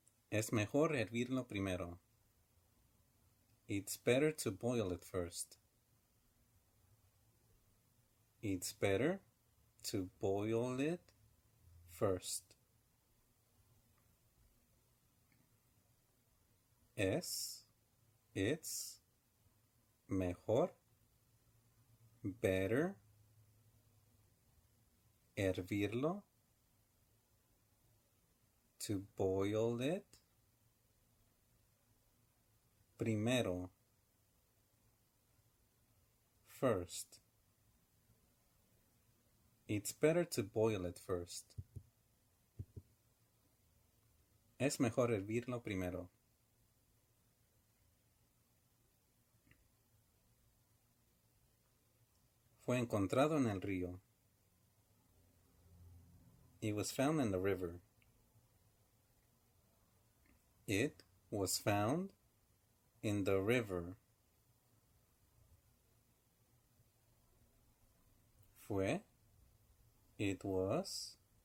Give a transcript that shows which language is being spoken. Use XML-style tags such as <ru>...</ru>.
<es>Es mejor hervirlo primero.</es> <en>It's better to boil it first. It's better to boil it first.</en> <es>Es,</es> <en>it's,</en> <es>mejor,</es> <en>better,</en> <es>hervirlo,</es> <en>to boil it.</en> <es>Primero,</es> <en>first. It's better to boil it first.</en> <es>Es mejor hervirlo primero. Fue encontrado en el río.</es> <en>It was found in the river. It was found in the river.</en> <es>Fue.</es> <en>It was.</en>